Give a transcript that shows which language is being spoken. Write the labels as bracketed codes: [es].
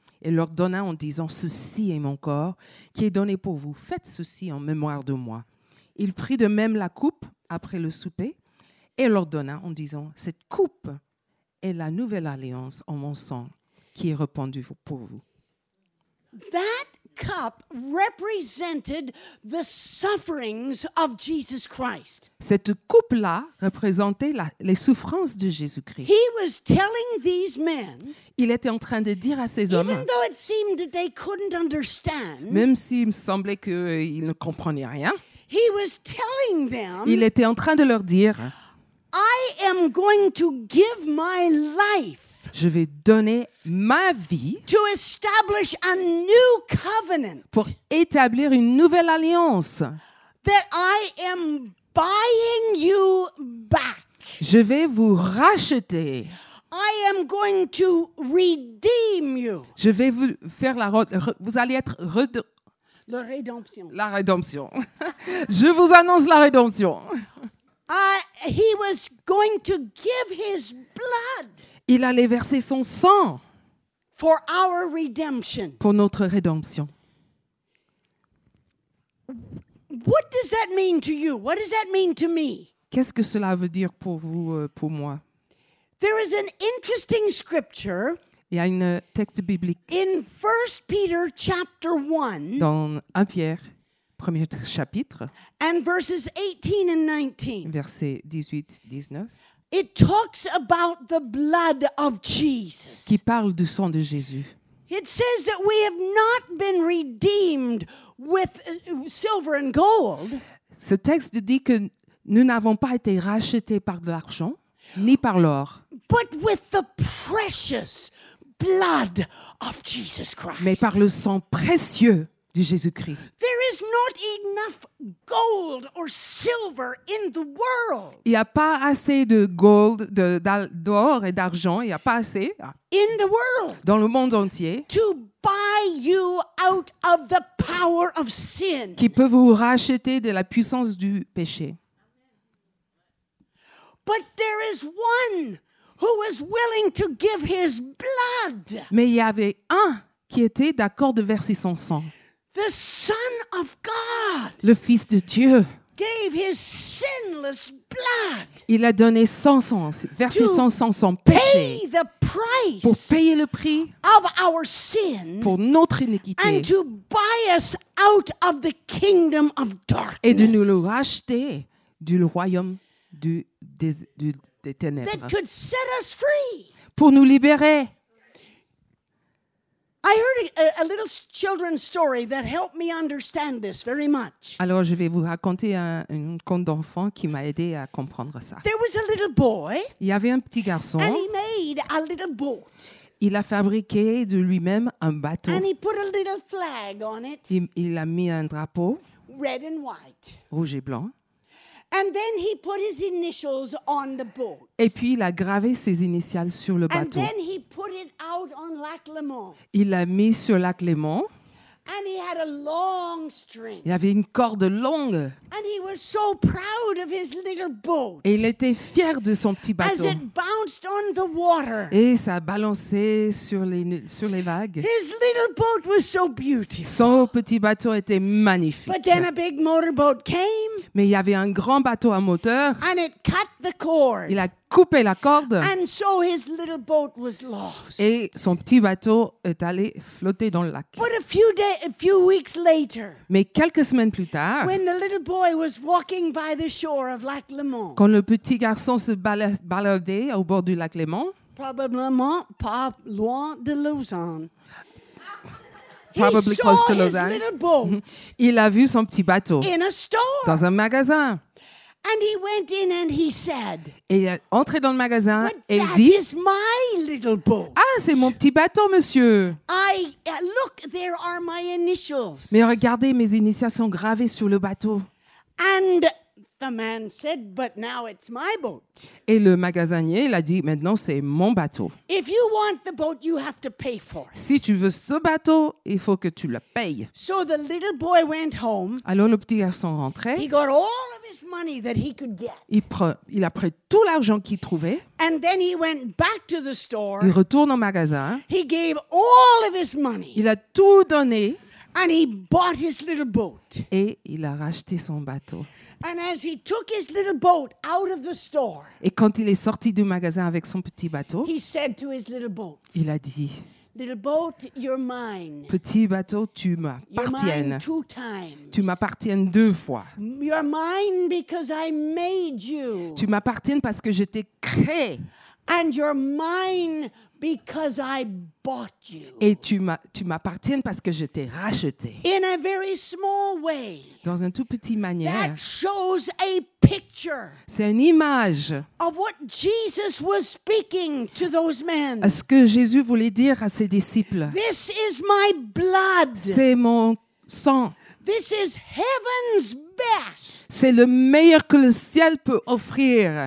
[fr] Et leur donna en disant, « Ceci est mon corps qui est donné pour vous. Faites ceci en mémoire de moi. » Il prit de même la coupe après le souper et leur donna en disant, « Cette coupe est la nouvelle alliance en mon sang qui est répandue pour vous. » [en] That cup represented the sufferings of Jesus Christ. [fr] Cette coupe-là représentait les souffrances de Jésus-Christ. [en] He was telling these men. [fr] Il était en train de dire à ces hommes. [en] Even though it seemed that they couldn't understand. [fr] Même s'il me semblait qu'ils ne comprenaient rien. [en] He was telling them. [fr] Il était en train de leur dire. [en] I am going to give my life. [fr] Je vais donner ma vie [en] to establish a new covenant [fr] pour établir une nouvelle alliance. [en] That I am buying you back. [fr] Je vais vous racheter. [en] I am going to redeem you. [fr] Je vais vous faire vous allez être la rédemption. La rédemption. Je vous annonce la rédemption. [en] He was going to give his blood. [fr] Il allait verser son sang [en] for our redemption. [fr] Pour notre rédemption. [en] What does that mean to you? What does that mean to me? [fr] Qu'est-ce que cela veut dire pour vous, pour moi? [en] There is an interesting scripture. [fr] Il y a un texte biblique. [en] In 1 Peter chapter 1. [fr] Dans 1 Pierre, premier chapitre. [en] And verses 18 and 19. [fr] Versets 18, 19. [en] It talks about the blood of Jesus. [fr] Qui parle du sang de Jésus. [en] It says that we have not been redeemed with silver and gold. [fr] Ce texte dit que nous n'avons pas été rachetés par de l'argent ni par l'or. [en] But with the precious blood of Jesus Christ. [fr] Mais par le sang précieux de Jésus-Christ. [en] There is not enough gold or silver in the world. [fr] Il n'y a pas assez de gold, d'or et d'argent. Il n'y a pas assez. [en] In the world. [fr] Dans le monde entier. [en] To buy you out of the power of sin. [fr] Qui peut vous racheter de la puissance du péché. [en] But there is one who was willing to give his blood. [fr] Mais il y avait un qui était d'accord de verser son sang. [en] The Son of God. [fr] Le Fils de Dieu. [en] Gave his sinless blood. [fr] Il a donné son sang, versé son sang, son péché. [en] Pay the price. [fr] Pour payer le prix. [en] Of our sin. [fr] Pour notre iniquité. [en] And to buy us out of the kingdom of darkness. [fr] Et de nous le racheter du royaume des ténèbres. [en] That could set us free. [fr] Pour nous libérer. [en] I heard a little children's story that helped me understand this very much. [fr] Alors, je vais vous raconter un conte d'enfant qui m'a aidé à comprendre ça. [en] There was a little boy. [fr] Il y avait un petit garçon. [en] And he made a little boat. [fr] Il a fabriqué de lui-même un bateau. [en] And he put a little flag on it. [fr] Il a mis un drapeau. [en] Red and white. [fr] Rouge et blanc. [en] And then he put his initials on the boat. [fr] Et puis il a gravé ses initiales sur le bateau. [en] And then he put it out on Lac Léman. [fr] Il l'a mis sur Lac Léman. [en] And he had a long string. [fr] Il avait une corde longue. [en] And he was so proud of his little boat. [fr] Et il était fier de son petit bateau. [en] As it bounced on the water. [fr] Et ça balançait sur les vagues. [en] His little boat was so beautiful. [fr] Son petit bateau était magnifique. [en] But then a big motorboat came. [fr] Mais il y avait un grand bateau à moteur. [en] And it cut the cord. [fr] Il a coupé la corde. [en] And so his little boat was lost. [fr] Et son petit bateau est allé flotter dans le lac. [en] But a few weeks later. [fr] Mais quelques semaines plus tard. [en] When the little boy was walking by the shore of Lac Léman. [fr] Quand le petit garçon se baladait au bord du lac Léman. Probablement pas loin de Lausanne. [en] Probably close to Lausanne. His little boat. [fr] Il a vu son petit bateau. [en] In a store. [fr] Dans un magasin. [en] And he went in and he said. [fr] Et il est entré dans le magasin et [en] that [fr] dit. [en] That is my little boat. [fr] Ah, c'est mon petit bateau, monsieur. [en] Look, there are my initials. [fr] Mais regardez, mes initiales sont gravées sur le bateau. [en] And the man said, but now it's my boat. [fr] Et le magasinier, il a dit, maintenant c'est mon bateau. [en] If you want the boat, you have to pay for it. [fr] Si tu veux ce bateau, il faut que tu le payes. [en] So the little boy went home. [fr] Alors le petit garçon rentrait. [en] He got all of his money that he could get. [fr] Il a pris tout l'argent qu'il trouvait. [en] And then he went back to the store. [fr] Il retourne au magasin. [en] He gave all of his money. [fr] Il a tout donné. [en] And he bought his little boat. [fr] Et il a racheté son bateau. [en] And as he took his little boat out of the store. [fr] Et quand il est sorti du magasin avec son petit bateau. [en] He said to his little boat. [fr] Il a dit. [en] Little boat, you're mine. [fr] Petit bateau, tu m'appartiennes. [en] You're mine two times. [fr] Tu m'appartiennes deux fois. [en] You're mine because I made you. [fr] Tu m'appartiennes parce que je t'ai créé. [en] And you're mine because I bought you. [fr] Et tu m'appartiens parce que je t'ai racheté. [en] In a very small way. [fr] Dans une toute petite manière. [en] That shows a picture. [fr] C'est une image. [en] Of what Jesus was speaking to those men. [fr] Ce que Jésus voulait dire à ses disciples. [en] This is my blood. [fr] C'est mon sang. [en] This is heaven's best. [fr] C'est le meilleur que le ciel peut offrir.